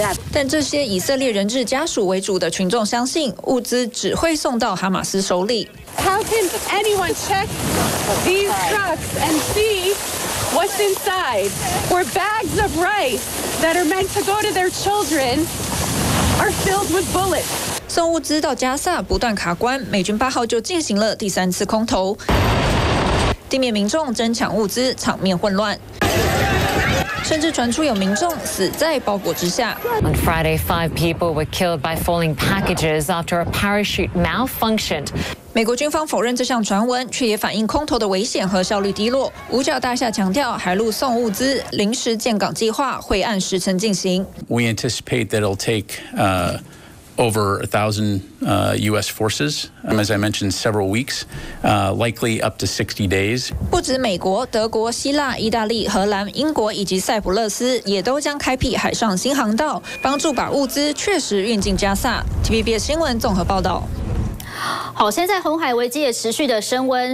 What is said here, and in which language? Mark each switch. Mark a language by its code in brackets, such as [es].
[zh] 但这些以色列人质家属为主的群众相信，物资只会送到哈马斯手里。 [en] How can anyone check these trucks and see what's inside? Where bags of rice that are meant to go to their children are filled with bullets. [zh] 送物资到加萨不断卡关，美军8号就进行了第3次空投。地面民众争抢物资，场面混乱。甚至传出有民众死在包裹之下。 [en] On Friday, five people were killed by falling packages after a parachute malfunctioned. [zh] 美国军方否认这项传闻，却也反映空投的危险和效率低落。五角大厦强调，海陆送物资临时建港计划会按时程进行。 [en] We anticipate that it'll take over 1,000 U.S. forces, as I mentioned, several weeks, likely up to 60 days. [zh] 不止美国、德国、希腊、意大利、荷兰、英国以及塞浦路斯也都将开辟海上新航道，帮助把物资确实运进加萨。 TVBS 新闻综合报道。好，现在红海危机也持续的升温。